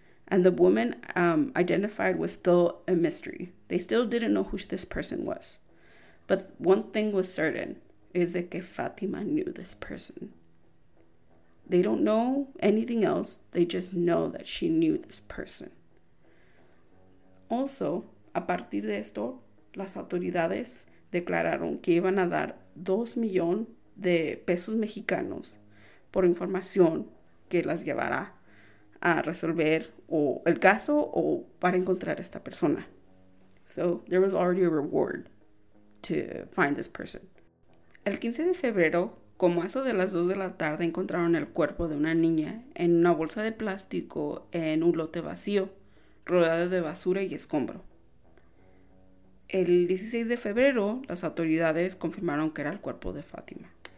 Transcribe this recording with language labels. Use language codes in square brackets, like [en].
[en] And the woman identified was still a mystery. They still didn't know who this person was. But one thing was certain. Is that Fátima knew this person. They don't know anything else. They just know that she knew this person. [es] Also, a partir de esto, las autoridades declararon que iban a dar 2 millones de pesos mexicanos por información que las llevará a resolver o el caso o para encontrar a esta persona. [en] So, there was already a reward to find this person. [es] El 15 de febrero, como a eso de las 2 de la tarde, encontraron el cuerpo de una niña en una bolsa de plástico en un lote vacío, rodeado de basura y escombro. El 16 de febrero, las autoridades confirmaron que era el cuerpo de Fátima.